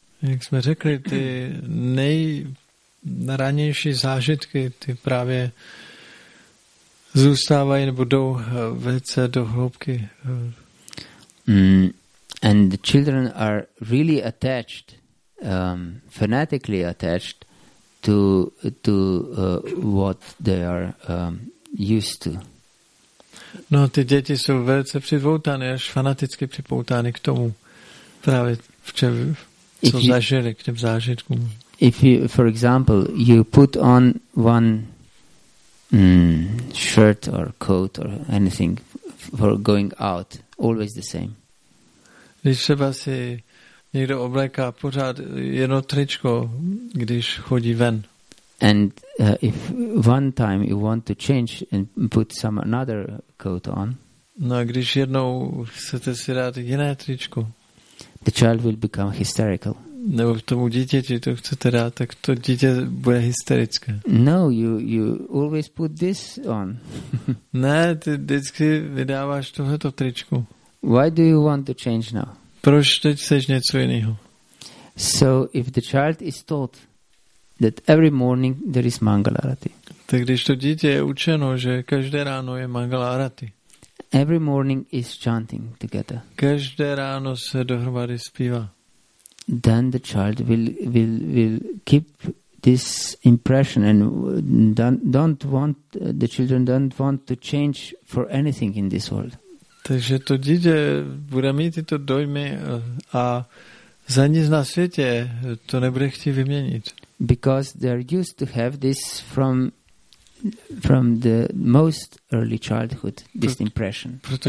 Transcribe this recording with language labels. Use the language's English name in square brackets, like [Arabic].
[Czech] Jak jsme řekli, ty nejranější zážitky, ty právě zůstávají nebo jdou velice do hloubky. [English] And the children are really attached, fanatically attached to what they are used to. [Czech] No, ty děti jsou velice připoutány, až fanaticky připoutány k tomu, právě co zažili, k těm zážitkům. [English] If you, for example, you put on one shirt or coat or anything for going out, always the same. [Czech] Když třeba si někdo obléká pořád jedno tričko, když chodí ven. [English] And if one time you want to change and put some another coat on. [Czech] No, a když jednou chcete si dát jiné tričko. [English] The child will become hysterical. [Czech] Nebo tomu dítěti to chcete dát, tak to dítě bude hysterické. [English] No, you always put this on. [Czech] Ne, ty vždycky vydáváš tohleto tričko. [English] Why do you want to change now? [Czech] Proč teď chceš něco jiného? [English] So if the child is taught that every morning there is Mangalarati. [Czech] Tak když to dítě je učeno, že každé ráno je Mangalarati. [English] Every morning is chanting together. [Czech] Každé ráno se dohromady zpívá. [English] Then the child will keep this impression and don't want to change for anything in this world. [Czech] Takže to dítě bude mít tyto dojmy a za nic na světě to nebude chtít vyměnit. [English] Because they're used to have this from the most early childhood, this impression.